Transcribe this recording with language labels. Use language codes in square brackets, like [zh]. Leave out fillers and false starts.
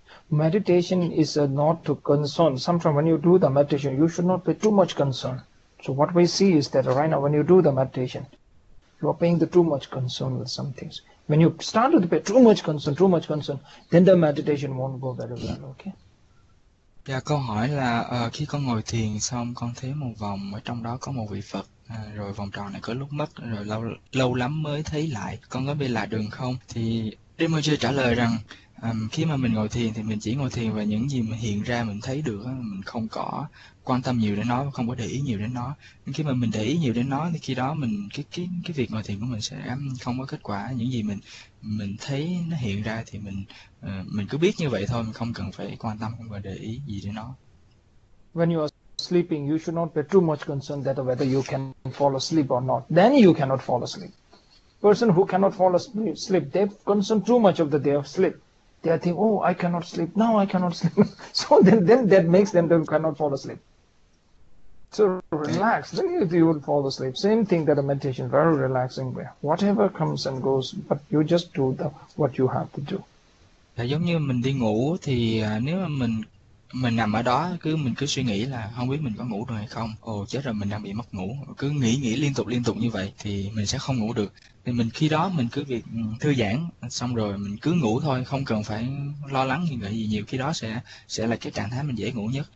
[en] Meditation is not to concern. Sometimes when you do the meditation, you should not pay too much concern. So what we see is that right now when you do the meditation, you are paying the too much concern with some things. When you start to pay too much concern, then the meditation won't go very well, okay? [vi] Và câu hỏi là khi con ngồi thiền xong con thấy một vòng ở trong đó có một vị Phật, rồi vòng tròn này có lúc mất rồi lâu lâu lắm mới thấy lại, con có bị lạc đường không? Thì Rinpoche trả lời rằng khi mà mình ngồi thiền thì mình chỉ ngồi thiền và những gì mà hiện ra mình thấy được, mình không có quan tâm nhiều đến nó và không có để ý nhiều đến nó. Nhưng khi mà mình để ý nhiều đến nó thì khi đó mình cái việc ngồi thiền của mình sẽ không có kết quả. Những gì mình thấy nó hiện ra thì mình cứ biết như vậy thôi, mình không cần phải quan tâm và để ý gì đến nó. [en] When you are sleeping, you should not pay too much concern that whether you can fall asleep or not. Then you cannot fall asleep. Person who cannot fall asleep, they concern too much of the day of sleep. They think, oh, I cannot sleep. Now I cannot sleep. So then that makes them they cannot fall asleep. So relax. Then you will fall asleep. Same thing that a meditation, very relaxing way. Whatever comes and goes, but you just do the what you have to do. [vi] Là giống như mình đi ngủ thì nếu mà mình nằm ở đó cứ mình cứ suy nghĩ là không biết mình có ngủ được hay không, ồ chết rồi mình đang bị mất ngủ, cứ nghĩ nghĩ liên tục như vậy thì mình sẽ không ngủ được. thì mình khi đó mình cứ việc thư giãn xong rồi mình cứ ngủ thôi, không cần phải lo lắng gì nghĩ gì nhiều, khi đó sẽ là cái trạng thái mình dễ ngủ nhất.